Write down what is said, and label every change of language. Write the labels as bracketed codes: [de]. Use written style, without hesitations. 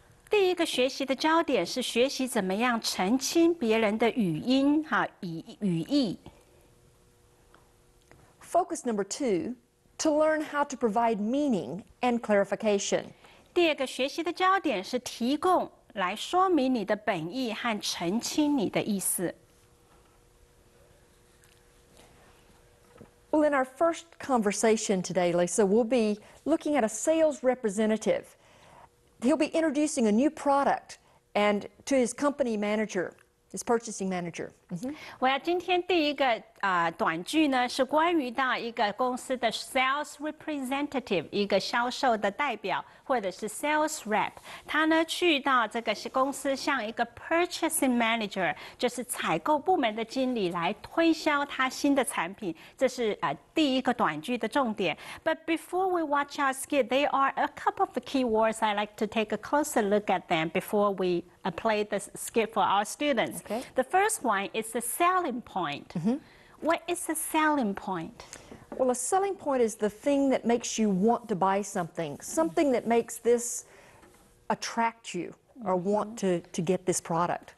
[zh] 第一个学习的焦点是学习怎么样澄清别人的语音哈语义。 [en] Focus number two, to learn how to provide meaning and clarification. [zh] 第二个学习的焦点是提供来说明你的本意和澄清你的意思。 [en] Well, in our first conversation today, Lisa, we'll be looking at a sales representative. He'll be introducing a new product and to his company manager. His purchasing manager. [zh] Well, 今天第一个短句呢是关于到一个公司的 sales representative, 一个销售的代表或者是 sales rep. 他呢去到这个公司向一个 purchasing manager, 就是采购部门的经理来推销他新的产品。这是第一个短句的重点。 [en] But before we watch our skit, there are a couple of keywords I'd like to take a closer look at them before weplay the skit for our students. Okay. The first one is the selling point. Mm-hmm. What is the selling point? Well, a selling point is the thing that makes you want to buy something, something that makes this attract you or want to get this product.